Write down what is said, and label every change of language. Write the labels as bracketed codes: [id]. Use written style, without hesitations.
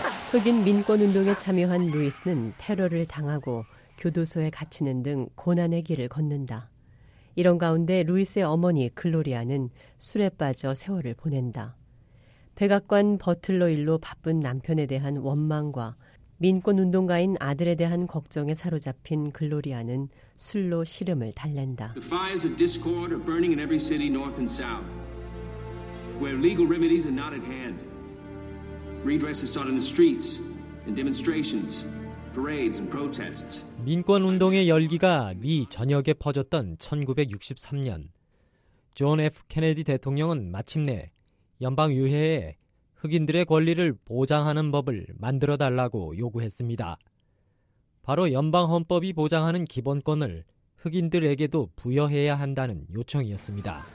[ko] 흑인 민권운동에 참여한 루이스는 테러를 당하고 교도소에 갇히는 등 고난의 길을 걷는다. 이런 가운데 루이스의 어머니 글로리아는 술에 빠져 세월을 보낸다. 백악관 버틀러 일로 바쁜 남편에 대한 원망과 민권운동가인 아들에 대한 걱정에 사로잡힌 글로리아는 술로 시름을 달랜다. [en] The fires of discord are burning in every city north and south, where legal remedies are not at hand. Redress is sought in the streets, in demonstrations, parades, and protests. [ko] 민권 운동의 열기가 미 전역에 퍼졌던 1963년, 존 F. 케네디 대통령은 마침내 연방 의회에 흑인들의 권리를 보장하는 법을 만들어 달라고 요구했습니다. 바로 연방 헌법이 보장하는 기본권을 흑인들에게도 부여해야 한다는 요청이었습니다.